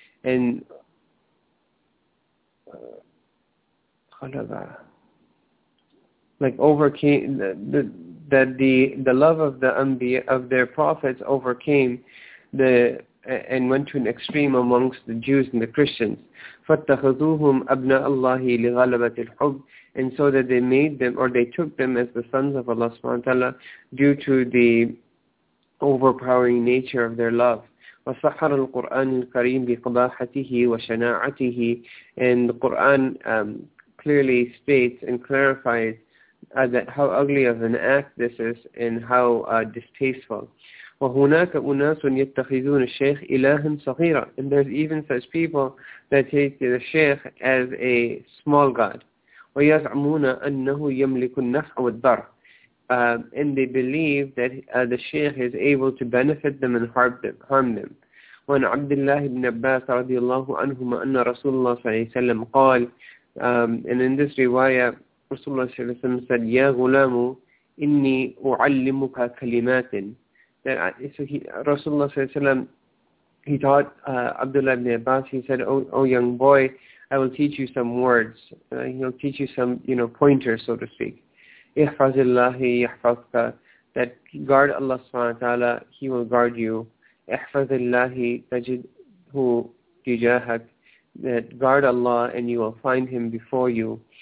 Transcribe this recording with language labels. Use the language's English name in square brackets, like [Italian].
[English] And like overcame the love of the Anbiya, of their prophets overcame the and went to an extreme amongst the Jews and the Christians. [Arabic] فَاتَّخَذُوهُمْ أَبْنَاءَ اللَّهِ لِغَلَبَةِ الْحُبِّ. [English] And so that they made them, or they took them as the sons of Allah subhanahu wa ta'ala due to the overpowering nature of their love. [Arabic] وصحر القرآن الكريم بقباحته وشناعته. [English] And the Quran clearly states and clarifies that how ugly of an act this is and how distasteful. [Arabic] وهناك أناس يتخذون الشيخ إلهًا صغيرًا. [English] And there's even such people that take the sheikh as a small god. [Arabic] ويزعمون أنه يملك النفع والضر. [English] And they believe that the sheikh is able to benefit them and harm them. [Arabic] وعن عبد الله بن عباس رضي الله عنهما أن رسول الله صلى الله عليه وسلم قال, [English] and in this riwayah, Rasulullah صلى الله عليه وسلم said, [Arabic] يا غلام إني أعلمك كلمات. [English] Then, so Rasulullah صلى الله عليه وسلم, he taught عبد الله بن عباس, he said, oh young boy, I will teach you some words. He'll teach you some pointers, so to speak. [Arabic] احفظ الله يحفظك. [English] that guard Allah subhanahu wa ta'ala, He will guard you. [Arabic] اِحْفَظِ اللَّهِ تَجِدْهُ تُجَاهَكَ, [English] that guard Allah and you will find Him before you.